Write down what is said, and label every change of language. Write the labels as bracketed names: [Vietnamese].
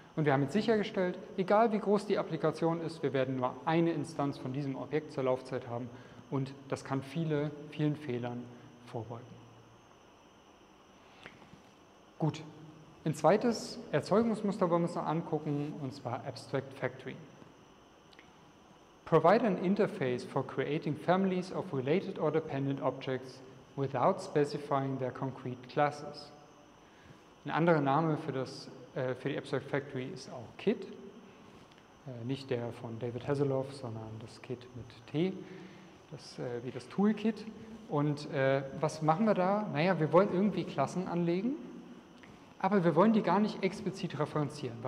[German] Und wir haben jetzt sichergestellt, egal wie groß die Applikation ist, wir werden nur eine Instanz von diesem Objekt zur Laufzeit haben und das kann vielen Fehlern vorbeugen. Gut, ein zweites Erzeugungsmuster wollen wir uns noch angucken, und zwar Abstract Factory. [English] Provide an interface for creating families of related or dependent objects without specifying their concrete classes. [German] Ein anderer Name für die Abstract Factory ist auch KIT, nicht der von David Hasselhoff, sondern das KIT mit T, wie das Toolkit. Und was machen wir da? Naja, wir wollen irgendwie Klassen anlegen, aber wir wollen die gar nicht explizit referenzieren.